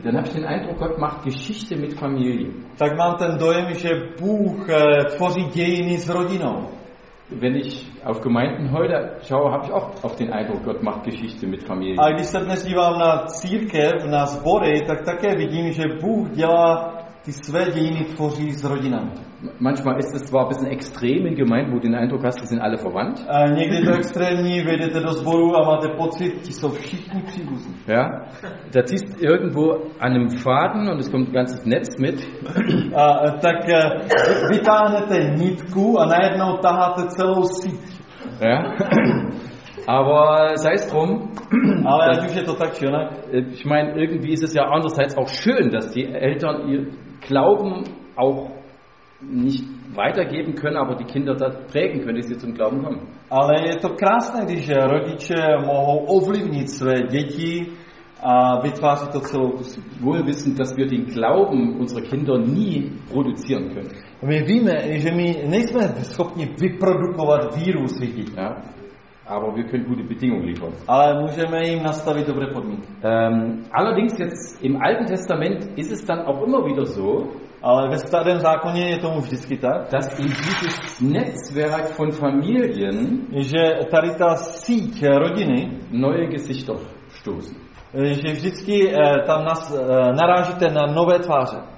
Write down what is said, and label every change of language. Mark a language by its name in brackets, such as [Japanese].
[German] dann habe ich den Eindruck, Gott macht Geschichte mit Familie. [Czech] Tak mám ten dojem, že Bůh tvoří dějiny s rodinou. [German] Wenn ich auf Gemeinden heute schaue, habe ich oft auf den Eindruck, Gott macht Geschichte mit Familie. [Czech] A když se dnes dívám na církev, na sbory, tak také vidím, že Bůh dělá ty své dějiny tvoří s rodinou. [German] Manchmal ist es zwar ein bisschen extrem in Gemeinden, wo du den Eindruck hast, die sind alle verwandt. [Czech] Někdy to extrémní, vyjdete do sboru a máte pocit, ti jsou všichni příbuzní. [German] Ja, da ziehst irgendwo an einem Faden und es kommt ein ganzes Netz mit. [Czech] Tak vytáhnete nitku a najednou taháte celou síť. [German] Ja, aber sei es drum. [Czech] Ale ať už je to tak, či onak. [German] Ich meine, irgendwie ist es ja andererseits auch schön, dass die Eltern ihr Glauben auch nicht weitergeben können, aber die Kinder das prägen können, die sie zum Glauben kommen. [Czech] Ale je to krásné, když rodiče mohou ovlivnit své děti a vytváří to celou tu [German] wohl wissen, dass wir den Glauben unserer Kinder nie produzieren können. [Czech] My víme, že my nejsme schopni vyprodukovat víru svých dětí. [German] Ja, aber wir können gute Bedingungen liefern. [Czech] Ale můžeme jim nastavit dobré podmínky. [German] Allerdings jetzt im Alten Testament ist es dann auch immer wieder so, [Czech] ale ve starém zákoně je tomu vždycky tak, [German] dass in dieses Netzwerk von Familien, [Czech] že tady ta síť rodiny, [German] neue Gesichter stoßen. [Czech] Že vždycky tam narážíte na nové tváře,